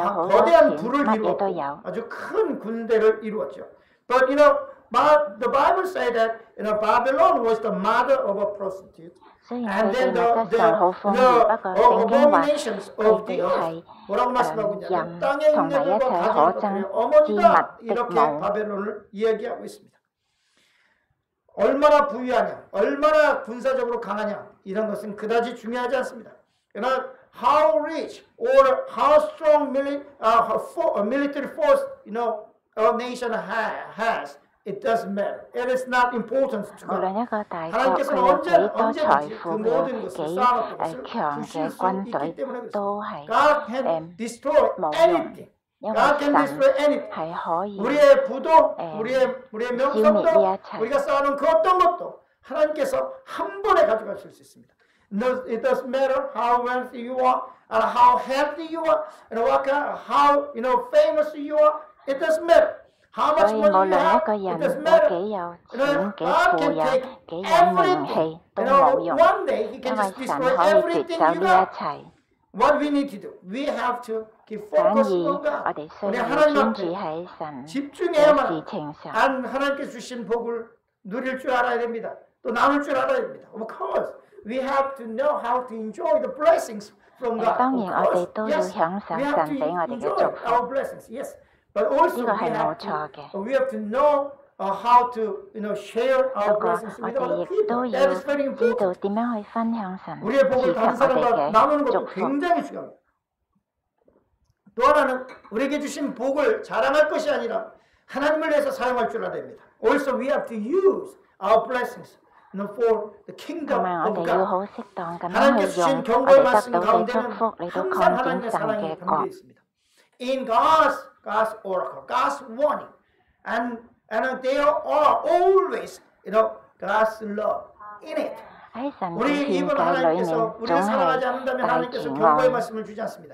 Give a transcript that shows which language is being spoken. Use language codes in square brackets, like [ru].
[ko] 거대한 부를 이루었고 아주 큰 군대를 이루었죠. [en] But you know, the Bible says that you know Babylon was the mother of a prostitute. And then the abominations of the earth. [ko] 뭐라고 말씀하고 있냐면 땅의 음녀들과 가증한 어머니다 이렇게 바벨론을 이야기하고 있습니다. 얼마나 부유하냐, 얼마나 군사적으로 강하냐 이런 것은 그다지 중요하지 않습니다. [en] You know, how rich or how strong military force you know a nation has. It doesn't matter. It is not important to God. [ko] 하나님께서는 언제든지 그 모든 것을 쌓아놓고 부실 수 있기 때문에 그렇습니다. [en] God can destroy anything. God can destroy anything. [ko] 우리의 부도, 우리의 명성도, 우리가 쌓아놓은 그 어떤 것도 하나님께서 한 번에 가져가실 수 있습니다. [en] It doesn't matter how wealthy you are, and how healthy you are, and what kind, how you know famous you are. It doesn't matter. How much money you have, it doesn't matter. You know, God can take everything. You know, one day He can just destroy everything you got. What we need to do? We have to keep focused on God. [ko] 우리 하나님께 집중해야만 한 하나님께 주신 복을 누릴 줄 알아야 됩니다. 또 나눌 줄 알아야 됩니다. [en] Of course, we have to know how to enjoy the blessings from God. Of course, yes, we have to enjoy our blessings. Yes. But also we have to know how to you know share our blessings with other people. That is very important. [ko] 우리의 복을 다른 사람과 나누는 것도 굉장히 중요합니다. 또 하나는 우리에게 주신 복을 자랑할 것이 아니라 하나님을 위해서 사용할 줄 알아야 됩니다. [en] Also we have to use our blessings for the kingdom of God. [ko] 하나님께서 주신 경고의 말씀 가운데는 항상 하나님의 사랑이 담겨 있습니다. [en] In God's oracle, God's warning, and there are always, you know, God's love in it. [ko] 우리 입은 하나님께서 우리를 사랑하지 않는다면 하나님께서 경고의 말씀을 주지 않습니다.